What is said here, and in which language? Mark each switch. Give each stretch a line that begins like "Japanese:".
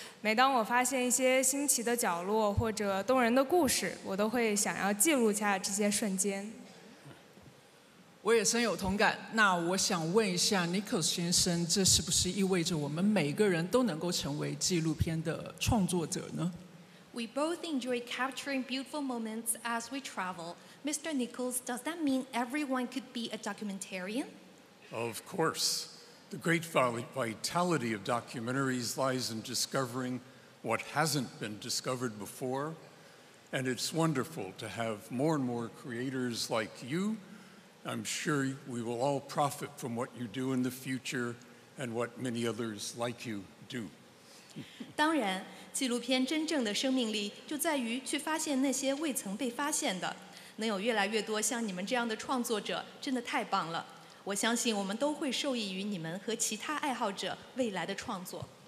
Chinese: 每当我发现一些新奇的角落或者动人的故事，我都会想要记录下这些瞬间。我也深有同感。那我想问一下 Nichols 先生，这是不是意味着我们每个人都能够成为纪录片的创作者呢？
English: We both enjoy capturing beautiful moments as we travel. Mr. Nichols, does that mean everyone could be a documentarian? Of course. The great vitality of documentaries lies in discovering what hasn't been discovered before. And it's wonderful to have more and more creators like you. I'm sure we will all profit from what you do in the future and what many others like you do.
Chinese: 当然，纪录片真正的生命力就在于去发现那些未曾被发现的。能有越来越多像你们这样的创作者真的太棒了，我相信我们都会受益于你们和其他爱好者未来的创作。